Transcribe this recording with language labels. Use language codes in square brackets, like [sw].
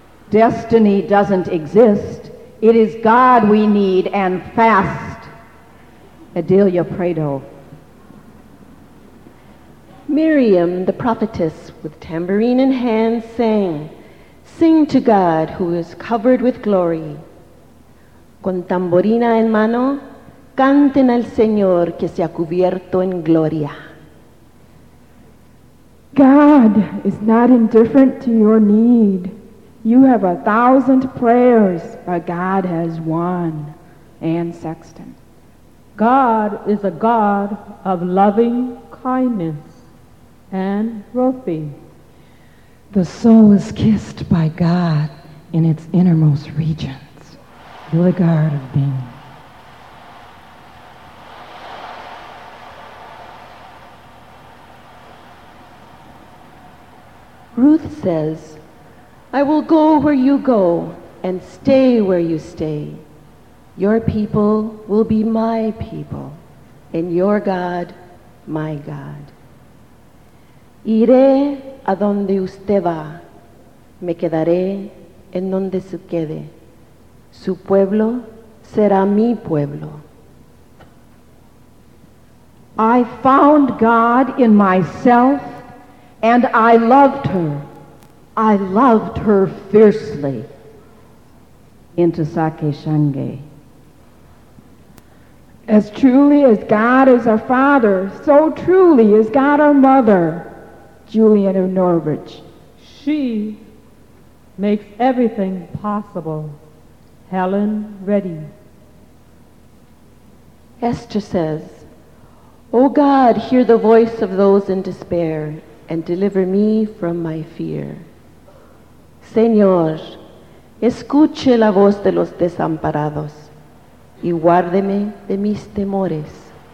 [en] Destiny doesn't exist. It is God we need, and fast. Adelia Prado. Miriam, the prophetess, with tambourine in hand, sang, "Sing to God who is covered with glory." [es] Con tamborina en mano, canten al Señor que se ha cubierto en gloria. [en] God is not indifferent to your need. You have 1,000 prayers, but God has one. Anne Sexton. God is a God of loving kindness. Anne Rothby. The soul is kissed by God in its innermost regions. Hildegard of Bingen. Ruth says, "I will go where you go and stay where you stay. Your people will be my people and your God, my God. [es] Iré a donde usted va, me quedaré en donde se quede. Su pueblo será mi pueblo." [en] I found God in myself and I loved her. I loved her fiercely. Into Sake Shange. As truly as God is our father, so truly is God our mother. Julian of Norwich. She makes everything possible. Helen Reddy. Esther says, "O God, hear the voice of those in despair and deliver me from my fear. [es] Señor, escuche la voz de los desamparados y guárdeme de mis temores."